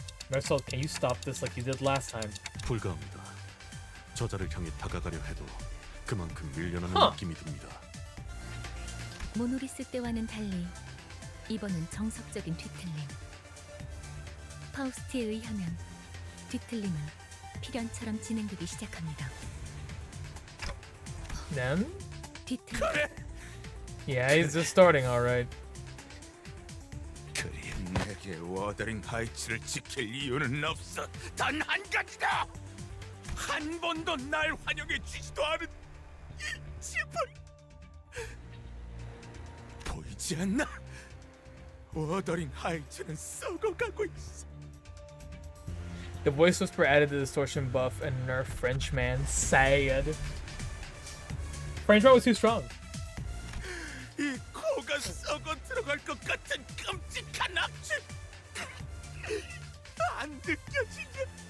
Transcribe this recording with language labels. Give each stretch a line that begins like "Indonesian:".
English: Marcel, can you stop this like you did last time?
Korean: 불가합니다. 저자를 향해 다가가려 해도 그만큼 밀려나는 느낌이 듭니다. 모노리스 때와는 달리 이번은 정석적인 뒤틀림. 파우스트에 의하면 뒤틀림은 필연처럼 진행되기 시작합니다. 넌? 뒤틀림.
English: Yeah, he's just starting, all right.
Korean: 그리 내게 워더링 하이츠를 지킬 이유는 없어. 단 한 가지다. 한 번도 날 환영해 주지도 않은 이 지팡이 보이지 않나? 워더링 하이츠는 썩어가고 있어.
English: The voice whisper added the distortion buff and nerf Frenchman said. Frenchman was too strong.
Korean: 이 코가 썩어 들어갈 것 같은 끔찍한 악취 안 느껴지냐?